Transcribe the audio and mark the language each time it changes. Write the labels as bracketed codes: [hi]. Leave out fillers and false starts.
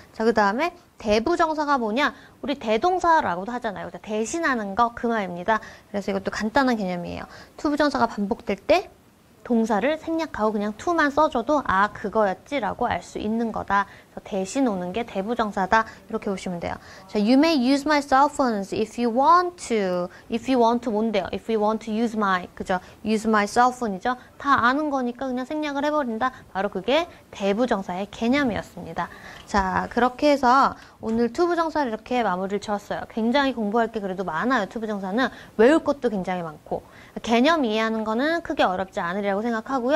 [ko] 자, 그 다음에 대부정사가 뭐냐? 우리 대동사라고도 하잖아요. 대신하는 거, 그 말입니다. 그래서 이것도 간단한 개념이에요. 투부정사가 반복될 때 동사를 생략하고 그냥 투만 써줘도 아, 그거였지 라고 알 수 있는 거다. 그래서 대신 오는 게 대부정사다. 이렇게 보시면 돼요. 자, [en] you may use my cell phones if you want to. If you want to [ko] 뭔데요? [en] If you want to use my, [ko] 그죠? [en] Use my cell phone이죠? [ko] 다 아는 거니까 그냥 생략을 해버린다. 바로 그게 대부정사의 개념이었습니다. 자, 그렇게 해서 오늘 투부정사를 이렇게 마무리를 지었어요. 굉장히 공부할 게 그래도 많아요. 투부정사는 외울 것도 굉장히 많고 개념 이해하는 거는 크게 어렵지 않으리라고 생각하고요.